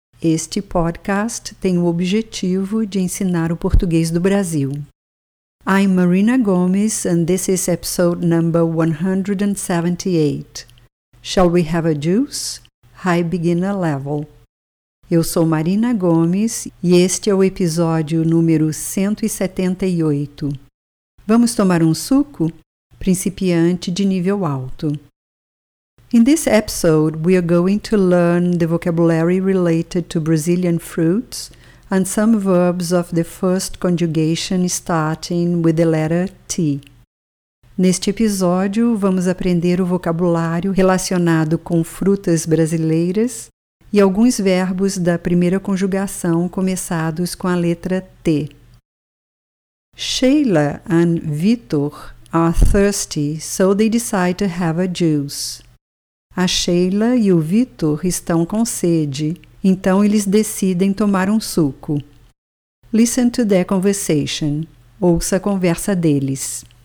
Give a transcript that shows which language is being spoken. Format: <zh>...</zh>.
<pt>Este podcast tem o objetivo de ensinar o português do Brasil.</pt> <en>I'm Marina Gomes, and this is episode number 178. Shall we have a juice? High beginner level.</en> <pt>Eu sou Marina Gomes e este é o episódio número 178. Vamos tomar um suco? Principiante de nível alto.</pt> <en>In this episode, we are going to learn the vocabulary related to Brazilian fruits and some verbs of the first conjugation starting with the letter T.</en> <pt>Neste episódio, vamos aprender o vocabulário relacionado com frutas brasileiras e alguns verbos da primeira conjugação começados com a letra T.</pt> <en>Sheila and Vitor are thirsty, so they decide to have a juice.</en> <pt>A Sheila e o Vitor estão com sede, então eles decidem tomar um suco.</pt> <en>Listen to their conversation.</en> <pt>Ouça a conversa deles.</pt>